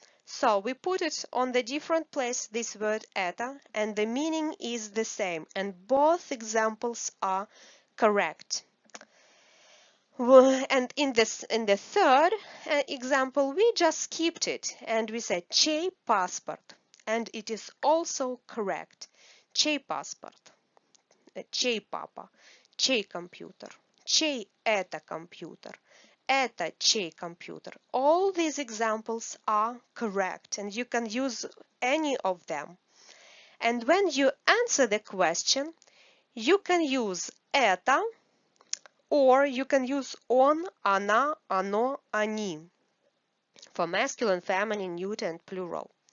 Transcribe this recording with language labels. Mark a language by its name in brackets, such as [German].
[English] So we put it on the different place, this word это, and the meaning is the same, and both examples are correct. And in the third example, we just skipped it and we said [Russian] чей паспорт, [English] and it is also correct. [Russian] Чей паспорт, чей папа, чей компьютер, чей это компьютер, это чей компьютер. [English] All these examples are correct and you can use any of them. And when you answer the question, you can use это, or you can use [Russian] он, она, оно, они [English] for masculine, feminine, neuter and plural.